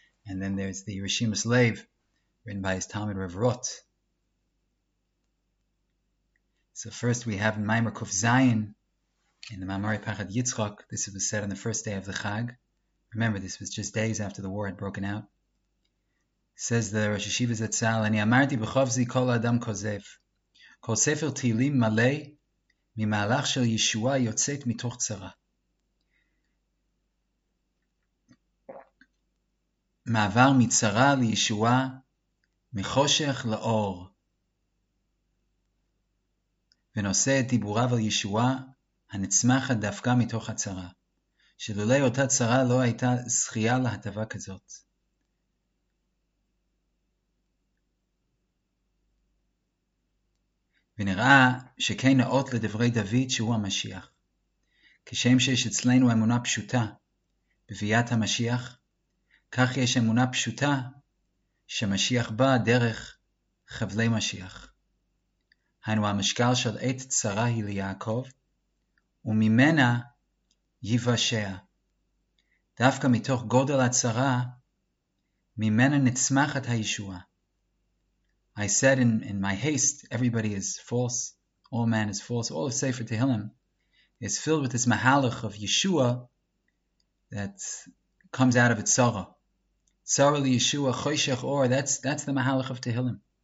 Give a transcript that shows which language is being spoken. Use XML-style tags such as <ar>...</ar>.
<en>And then there's the Rishima Slave, written by his Talmud Rav Rot. So first we have Maimar Kuf Zayin, in the Ma'amari Parad Yitzchak. This was said on the first day of the Chag. Remember, this was just days after the war had broken out. Says the Rosh Yeshiva Zatzal,</en> <he>"Ani amarti b'chofzi kol adam kozev, כל ספר תהילים מלא ממהלך של ישועה יוצאת מתוך צרה. מעבר מצרה לישועה, מחושך לאור. ונושא את דיבוריו על ישועה, הנצמחת דווקא מתוך הצרה, שלולא אותה צרה לא הייתה זכייה להטבה כזאת. ונראה שכן נאות לדברי דוד שהוא המשיח. כשם שיש אצלנו אמונה פשוטה בביאת המשיח, כך יש אמונה פשוטה שמשיח בא דרך חבלי משיח. היינו המשקל של עת צרה היא ליעקב, וממנה ייוושע. דווקא מתוך גודל הצרה, ממנה נצמחת הישועה.</he> <en>I said in my haste, everybody is false, all man is false, all of Sefer Tehillim is filled with this mahalach of Yeshua that comes out of its tzara.</en> <he>Tzara li Yeshua, choshech or,</he> <en>that's the mahalach of Tehillim.</en>